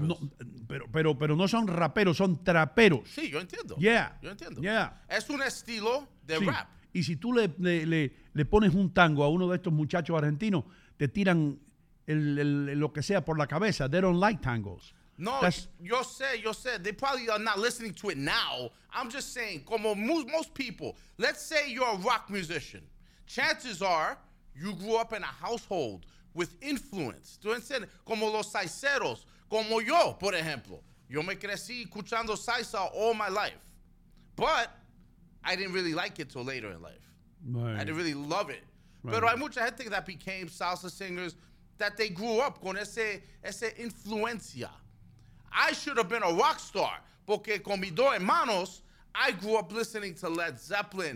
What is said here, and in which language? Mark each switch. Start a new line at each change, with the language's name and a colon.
Spanish: No, no, pero no son raperos, son traperos. Sí, yo entiendo. Yeah. Yo entiendo. Yeah. Es un estilo de sí. rap. Y si tú le pones un tango a uno de estos muchachos argentinos, te tiran el lo que sea por la cabeza.
English: They don't like tangos. No, that's,
Spanish: yo sé.
English: They probably are not listening to it now. I'm just saying,
Spanish: como
English: most people, let's say you're a rock musician. Chances are you grew up in a household with influence.
Spanish: ¿Tú entiendes? Como los salseros, como yo, por ejemplo. Yo me crecí escuchando salsa
English: all my life. But I didn't really like it till later in life. Right. I didn't really love it. Right.
Spanish: Pero hay mucha gente
English: that became salsa singers that they grew up
Spanish: con ese influencia.
English: I should have been a rock star
Spanish: porque con mis dos hermanos,
English: I grew up listening to Led Zeppelin,